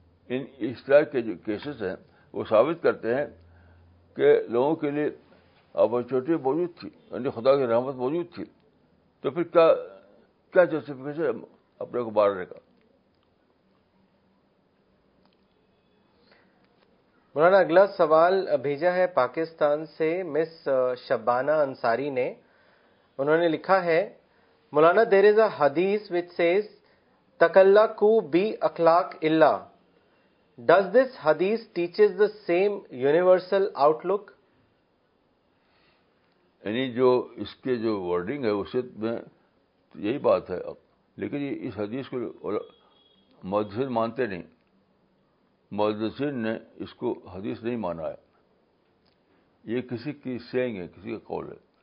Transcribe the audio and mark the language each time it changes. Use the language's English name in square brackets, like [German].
[Urdu] ان اس طرح کے جو کیسز ہیں وہ ثابت کرتے ہیں کہ لوگوں کے لیے اپرچونیٹی موجود تھی, یعنی خدا کی رحمت موجود تھی. تو پھر کیا جسٹیفیکیشن اپنے کو مارنے کا؟ مولانا, اگلا سوال بھیجا ہے پاکستان سے مس شبانہ انصاری نے. انہوں نے لکھا ہے, [English] مولانا, there is a حدیث which says [Arabic] تکلکو بی اخلاق اللہ. [English] Does this حدیث teaches the same universal outlook? [Urdu] یعنی جو اس کے جو ورڈنگ ہے اسے میں یہی بات ہے، لیکن یہ اس حدیث کو محدثین مانتے نہیں، محدثین نے اس کو حدیث نہیں مانا ہے، یہ کسی کی سینگ ہے، کسی کا قول ہے.